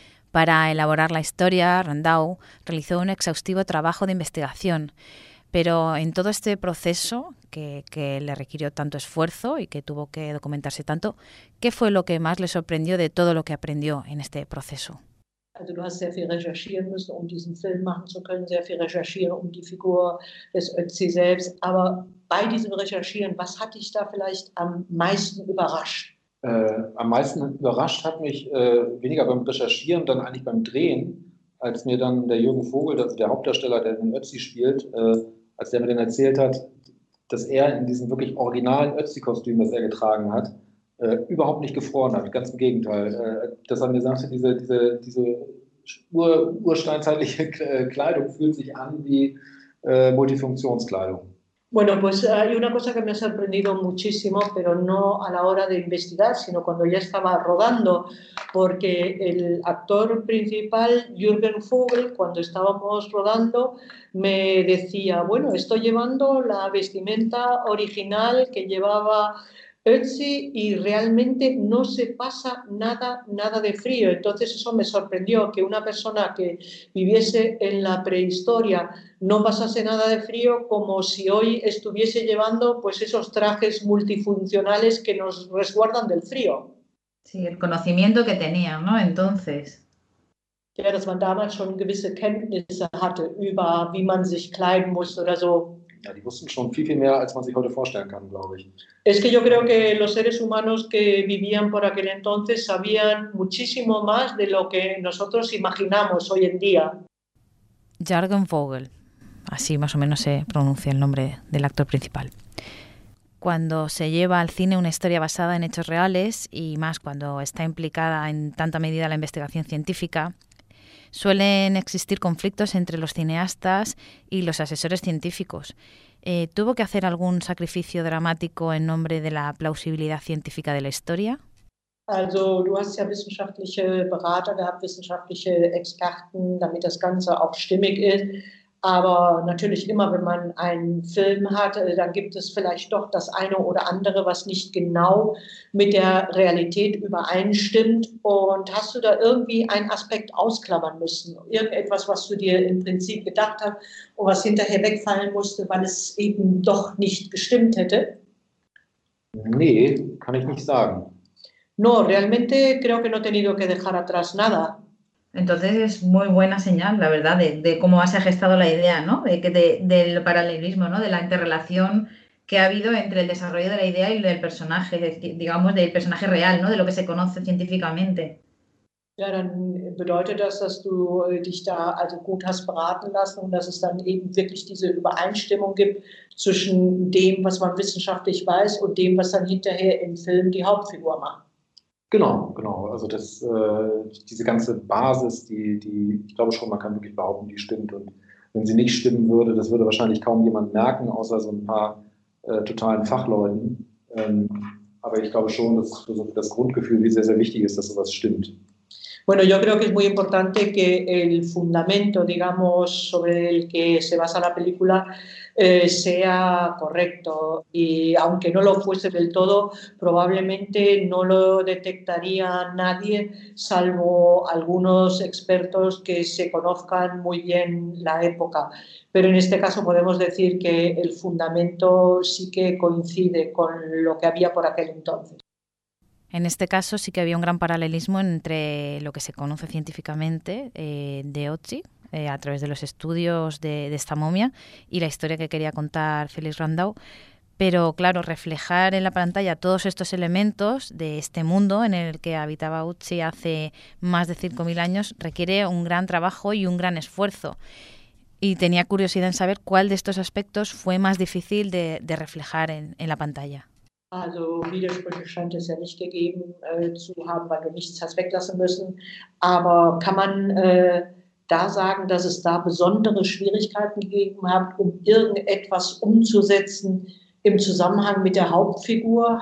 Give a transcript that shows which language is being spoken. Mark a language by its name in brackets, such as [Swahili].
[Spanish] Para elaborar la historia, Randau realizó un exhaustivo trabajo de investigación. Pero en todo este proceso que le requirió tanto esfuerzo y que tuvo que documentarse tanto, ¿qué fue lo que más le sorprendió de todo lo que aprendió en este proceso? [German] Also du hast sehr viel recherchieren müssen, um diesen Film machen zu können, sehr viel recherchieren um die Figur des Ötzi selbst. Aber bei diesem Recherchieren, was hat dich da vielleicht am meisten überrascht? Am meisten überrascht hat mich weniger beim Recherchieren, dann eigentlich beim Drehen, als mir dann der Jürgen Vogel, der Hauptdarsteller, der den Ötzi spielt, als der mir dann erzählt hat, dass er in diesem wirklich originalen Ötzi-Kostüm, das er getragen hat, überhaupt nicht gefroren hat, ganz im Gegenteil. Dass er mir sagte, diese ursteinzeitliche Kleidung fühlt sich an wie Multifunktionskleidung. [Spanish] Bueno, pues hay una cosa que me ha sorprendido muchísimo, pero no a la hora de investigar, sino cuando ya estaba rodando, porque el actor principal, Jürgen Vogel, cuando estábamos rodando, me decía, bueno, estoy llevando la vestimenta original que llevaba Ötzi y realmente no se pasa nada, nada de frío. Entonces eso me sorprendió, que una persona que viviese en la prehistoria no pasase nada de frío, como si hoy estuviese llevando pues esos trajes multifuncionales que nos resguardan del frío. Sí, el conocimiento que tenía, ¿no? Entonces. [German] Ja, dass man damals schon gewisse Kenntnisse hatte über wie man sich kleiden muss oder so. Ja, die wussten schon viel, viel mehr, als man sich heute vorstellen kann, glaube ich. [Spanish] Es que yo creo que los seres humanos que vivían por aquel entonces sabían muchísimo más de lo que nosotros imaginamos hoy en día. Jürgen Vogel, así más o menos se pronuncia el nombre del actor principal. Cuando se lleva al cine una historia basada en hechos reales, y más cuando está implicada en tanta medida la investigación científica, suelen existir conflictos entre los cineastas y los asesores científicos. ¿Tuvo que hacer algún sacrificio dramático en nombre de la plausibilidad científica de la historia? [German] Also, du hast ja wissenschaftliche Berater gehabt, wissenschaftliche Experten, damit das Ganze auch stimmig ist. Aber natürlich immer, wenn man einen Film hat, dann gibt es vielleicht doch das eine oder andere, was nicht genau mit der Realität übereinstimmt. Und hast du da irgendwie einen Aspekt ausklammern müssen? Irgendetwas, was du dir im Prinzip gedacht hast und was hinterher wegfallen musste, weil es eben doch nicht gestimmt hätte? Nee, kann ich nicht sagen. [Spanish] No, realmente creo que no he tenido que dejar atrás nada. Entonces es muy buena señal, la verdad, de cómo se ha gestado la idea, ¿no? Del paralelismo, ¿no? De la interrelación que ha habido entre el desarrollo de la idea y del personaje, digamos, del personaje real, ¿no? De lo que se conoce científicamente. [German] Ja, dann bedeutet das, dass du dich da also gut hast beraten lassen und dass es dann eben wirklich diese Übereinstimmung gibt zwischen dem, was man wissenschaftlich weiß und dem, was dann hinterher im Film die Hauptfigur macht. Genau, genau. Also das, diese ganze Basis, die, ich glaube schon, man kann wirklich behaupten, die stimmt. Und wenn sie nicht stimmen würde, das würde wahrscheinlich kaum jemand merken, außer so ein paar totalen Fachleuten. Aber ich glaube schon, dass das Grundgefühl sehr, sehr wichtig ist, dass sowas stimmt. [Spanish] Bueno, yo creo que es muy importante que el fundamento, digamos, sobre el que se basa la película sea correcto. Y aunque no lo fuese del todo, probablemente no lo detectaría nadie, salvo algunos expertos que se conozcan muy bien la época. Pero en este caso podemos decir que el fundamento sí que coincide con lo que había por aquel entonces. En este caso sí que había un gran paralelismo entre lo que se conoce científicamente de Ötzi, a través de los estudios de esta momia, y la historia que quería contar Félix Randau. Pero claro, reflejar en la pantalla todos estos elementos de este mundo en el que habitaba Ötzi hace más de 5.000 años requiere un gran trabajo y un gran esfuerzo. Y tenía curiosidad en saber cuál de estos aspectos fue más difícil de reflejar en la pantalla. [German] Also, Widersprüche scheint es ja nicht gegeben zu haben, weil wir nichts hat weglassen müssen. Aber kann man da sagen, dass es da besondere Schwierigkeiten gegeben hat, um irgendetwas umzusetzen im Zusammenhang mit der Hauptfigur?